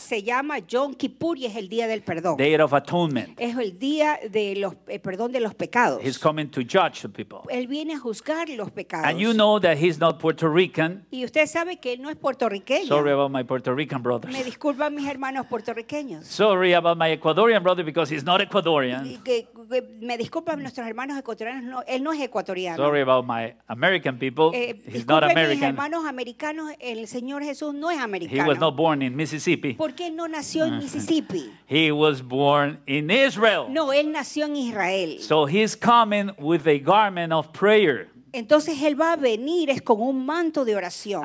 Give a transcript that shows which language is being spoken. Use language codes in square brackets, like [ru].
[es] Se llama Yom Kippur y es el día del perdón. [en] Day of atonement. [es] Es el día de los perdón de los pecados. [en] He's coming to judge the people. [es] Él viene a juzgar los pecados. [en] And you know that he's not Puerto Rican. [es] Y usted sabe que él no es puertorriqueño. [en] Sorry about my Puerto Rican brothers. [es] Me disculpan mis hermanos puertorriqueños. [en] Sorry about my Ecuadorian brother because he's not Ecuadorian. [es] Me disculpan nuestros hermanos ecuatorianos, no, él no es ecuatoriano. [en] Sorry about my American people. He's not American. [es] Americanos, el Señor Jesús no es americano. [en] He was not born in Mississippi. [es] ¿Por qué no nació en Mississippi? [en] He was born in Israel. [es] No, él nació en Israel. [en] So he's coming with a garment of prayer. [es] Entonces él va a venir es con un manto de oración.